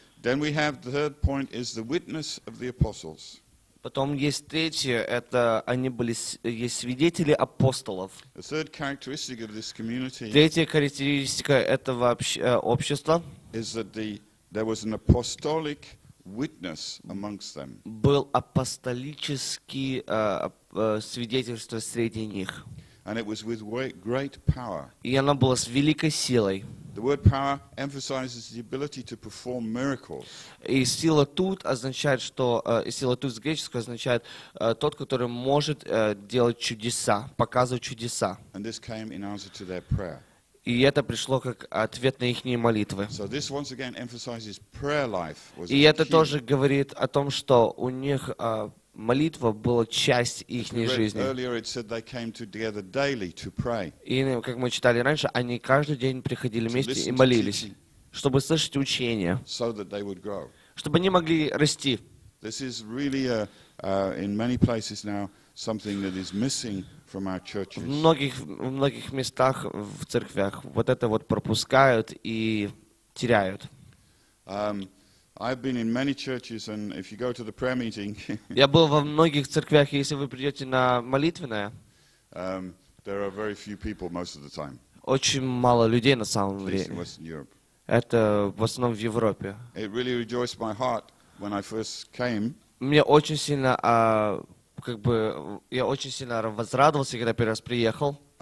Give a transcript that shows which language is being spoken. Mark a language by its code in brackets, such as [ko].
[en] Then we have the third point is the witness of the apostles. [ru] Потом есть третье, это они были свидетели апостолов. [en] The third characteristic of this community. [ru] Третья характеристика этого общества. [en] Is that there was an apostolic witness amongst them? [ru] Был апостолический свидетельство среди них. [en] And it was with great power. [ru] И она была с великой силой. [en] The word power emphasizes the ability to perform miracles. [ru] И сила тут означает, что сила тут с греческого означает тот, который может делать чудеса, показывать чудеса. [en] And this came in answer to their prayer. [ru] И это пришло как ответ на их молитвы. [en] So this once again emphasizes prayer life was [ru] И это тоже говорит о том, что у них молитва была часть их жизни. [en] Earlier it said they came together daily to pray. [ru] И как мы читали раньше, они каждый день приходили вместе и молились, чтобы слышать учение, [en] so that they would grow. [ru] Чтобы они могли расти. [en] This is really in many places now something that is missing. From our churches. [ru] В многих местах в церквях вот это вот пропускают и теряют. [en] I've been in many churches, and if you go to the prayer meeting. [ru] Я был во многих церквях, если вы придете на молитвенное. [en] There are very few people most of the time. [ru] Очень мало людей на самом деле. [en] In Western Europe. [ru] Это в основном в Европе. [en] It really rejoiced my heart when I first came. [ru] Мне очень сильно как бы я очень сильно возрадовался, когда первый раз приехал.